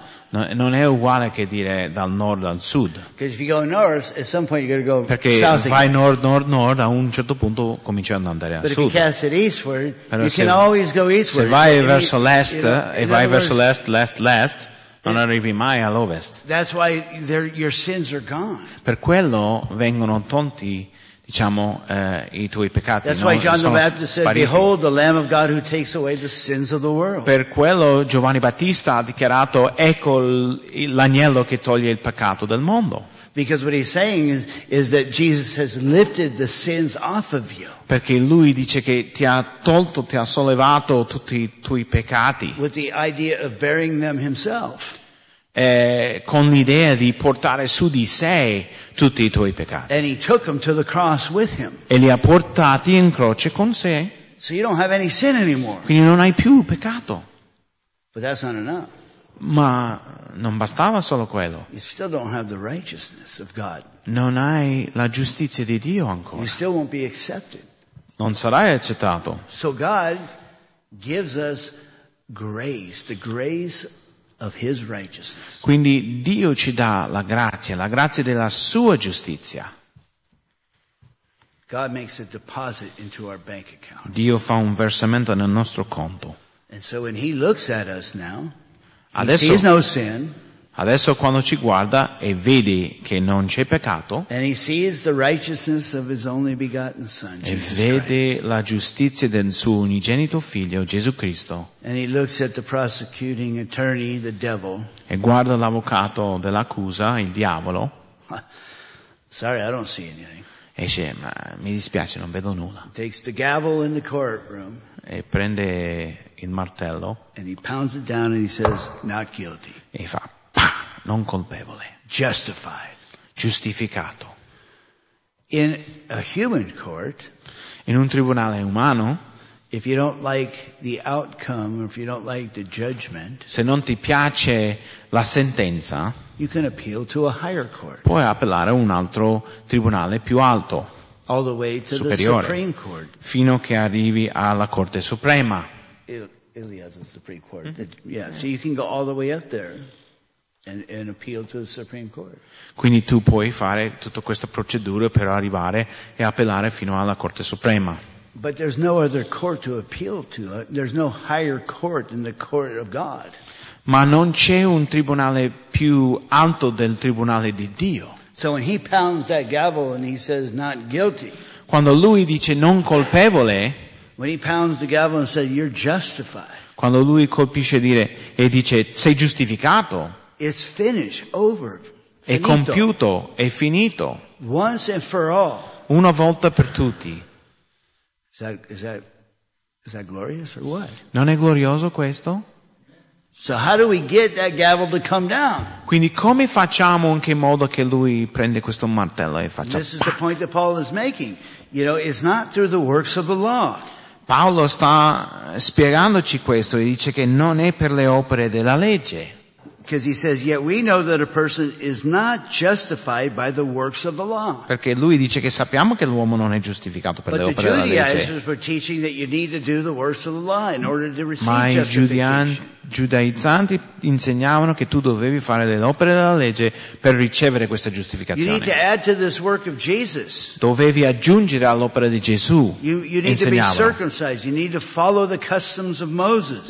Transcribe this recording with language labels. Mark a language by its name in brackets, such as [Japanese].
[Italian] Non è uguale che dire dal nord al sud. Perché vai nord, a un certo punto cominci ad andare a sud. Se vai verso l'est, non arrivi mai all'ovest. [English] That's why your sins are gone. [Italian] Per quello vengono tolti, diciamo, i tuoi peccati. [English] That's no, why John the Baptist [Italian] spariti. [English] Said, "Behold, the Lamb of God who takes away the sins of the world." [Italian] Per quello Giovanni Battista ha dichiarato, ecco l'agnello che toglie il peccato del mondo. [English] Because what he's saying is that Jesus has lifted the sins off of you. [Italian] Perché lui dice che ti ha tolto, ti ha sollevato tutti i tuoi peccati. [English] With the idea of bearing them himself. [Italian] Con l'idea di portare su di sé tutti i tuoi peccati. [English] And he took them to the cross with him. [Italian] E li ha portati in croce con sé. [English] So you don't have any sin anymore. [Italian] Quindi non hai più peccato. [English] But that's not enough. [Italian] Ma non bastava solo quello. [English] You still don't have the righteousness of God. [Italian] Non hai la giustizia di Dio ancora. [English] You still won't be accepted. [Italian] Non sarai accettato. [English] So God gives us grace, the grace of his righteousness. [Italian] Quindi Dio ci dà la grazia della sua giustizia. [English] God makes a deposit into our bank account. [Italian] Dio fa un versamento nel nostro conto. [English] And so when he looks at us now, [Italian] adesso, [English] he sees no sin. [Italian] Adesso quando ci guarda e vedi che non c'è peccato, [English] and he sees the righteousness of his only begotten son, Jesus [Italian] e vede [English] Christ. [Italian] La giustizia del suo unigenito figlio Gesù Cristo, [English] and he looks at the prosecuting attorney, the devil, [Italian] e guarda l'avvocato dell'accusa, il diavolo. [English] Sorry, I don't see anything. [Italian] E dice, ma mi dispiace, non vedo nulla. [English] Takes the gavel in the courtroom, [Italian] e prende il martello, [English] and he pounds it down and he says, not guilty. [Italian] E fa non colpevole. [English] Justified. [Italian] Giustificato. [English] In a human court, [Italian] in un tribunale umano, [English] if you don't like the outcome or if you don't like the judgment, [Italian] se non ti piace la sentenza, [English] you can appeal to a higher court. [Italian] Puoi appellare a un altro tribunale più alto. [English] All the way to [Italian] superiore, [English] the Supreme Court. [Italian] Fino che arrivi alla Corte Suprema. [English] Ilia, the Supreme Court. Mm-hmm. Yeah, so you can go all the way up there. And appeal to the Supreme Court. [Italian] Quindi tu puoi fare tutta questa procedura per arrivare e appellare fino alla Corte Suprema. [English] But there's no other court to appeal to. There's no higher court than the court of God. [Italian] Ma non c'è un tribunale più alto del tribunale di Dio. [English] So when he pounds that gavel and he says not guilty. [Italian] Quando lui dice non colpevole. [English] When he pounds the gavel and says you're justified. [Italian] Quando lui colpisce dire e dice sei giustificato. [English] It's finished, over. [Italian] È compiuto, è finito. [English] Once and for all. [Italian] Una volta per tutti. [English] Is that glorious or what? [Italian] Non è glorioso questo? [English] So how do we get that gavel to come down? [Italian] Quindi come facciamo in che modo che lui prende questo martello e faccia? [English] This is the point that Paul is making. You know, it's not through the works of the law. [Italian] Paolo sta spiegandoci questo e dice che non è per le opere della legge. [English] Because he says, yet we know that a person is not justified by the works of the law. [Italian] Perché lui dice che sappiamo che l'uomo non è giustificato per le opere della legge. [English] But the Judaizers were teaching that you need to do the works of the law in order to receive justification. [Italian] Ma i giudaizzanti insegnavano che tu dovevi fare le opere della legge per ricevere questa giustificazione. [English] You need to add to this work of Jesus. [Italian] Dovevi aggiungere all'opera di Gesù. [English] You need to be circumcised. You need to follow the customs of Moses.